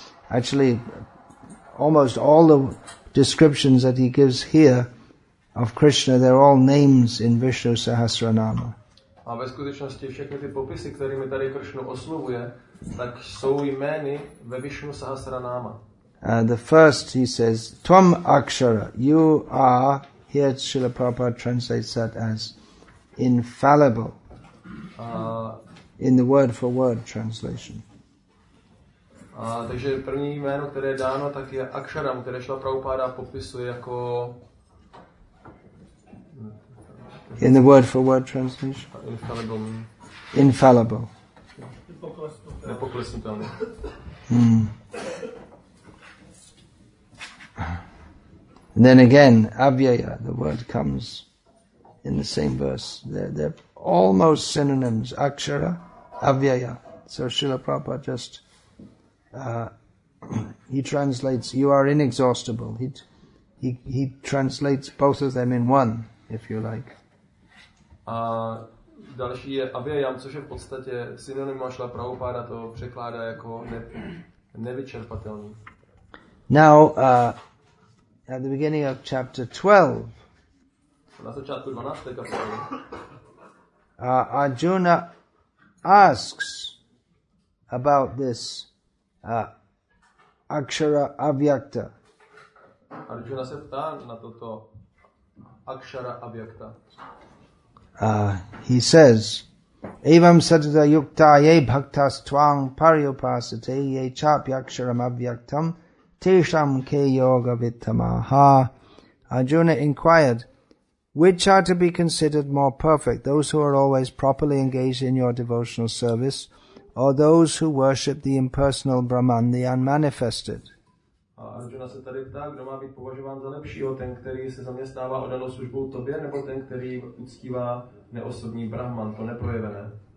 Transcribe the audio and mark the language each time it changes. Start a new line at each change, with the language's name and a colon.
English: Actually, almost all the descriptions that he gives here of Krishna, they're all names in Vishnu Sahasranama.
Czech: A ve skutečnosti všechny ty popisy, kterými tady Krishna oslovuje, tak jsou jmény ve Vishnu Sahasranama.
English: The first, he says, Tvam Akshara, you are, here Srila Prabhupada translates that as infallible, in the word for word translation.
Czech: Takže první jméno, které je dáno, tak je Aksharam, které Šla Prabhupáda popisuje jako...
English: In the word for word translation? Infallible. Infallible.
Czech: Nepoklesnutelný.
English: And then again, Avyaya, the word comes in the same verse. They're almost synonyms, Akshara, Avyaya. So Srila Prabhupada just... he translates, you are inexhaustible. He translates both of them in one, if you like.
Czech: A další je avyayam, což je v podstatě synonym Šla Prabhupáda, to překládá jako nevyčerpatelný.
English: Now, at the beginning of chapter 12,
Czech: na začátku 12. kapitoly,
English: Arjuna asks about this Akshara Avyakta.
Czech: Arjuna se ptá na toto Akshara Avyakta.
Sanskrit: He says, Evam satata yukta ye bhaktas tvang pariupasate ye chapyaksharam avyaktam tesham ke yoga vittamaha.
English: Arjuna inquired, which are to be considered more perfect, those who are always properly engaged in your devotional service, or those who worship the impersonal Brahman, the unmanifested?
Czech: Arjuna se tady ptá, kdo má být považován za lepšího, ten, který se zaměstnává odanou službou tobě, nebo ten, který uctívá neosobní Brahman, to neprojevené?